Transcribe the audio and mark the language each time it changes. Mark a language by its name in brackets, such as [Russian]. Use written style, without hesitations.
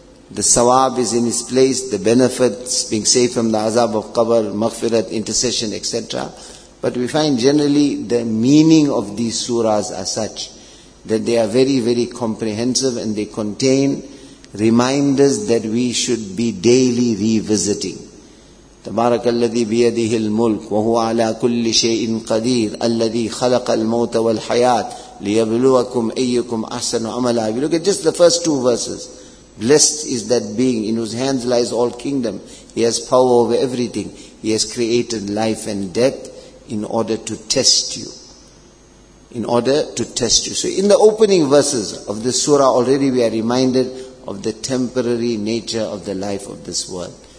[English] The sawab is in its place, the benefits being saved from the azab of qabr, maghfirat, intercession, etc. But we find generally the meaning of these surahs are such that they are very, very comprehensive and they contain reminders that we should be daily revisiting. [Arabic] تبارك الذي بيده الملك وهو على كل شيء قدير الذي خلق الموت والحياة ليبلوكم أيكم أحسن عملا. [English] We look at just the first two verses. Blessed is that being in whose hands lies all kingdom. He has power over everything. He has created life and death in order to test you. In order to test you. So in the opening verses of this surah already we are reminded of the temporary nature of the life of this world.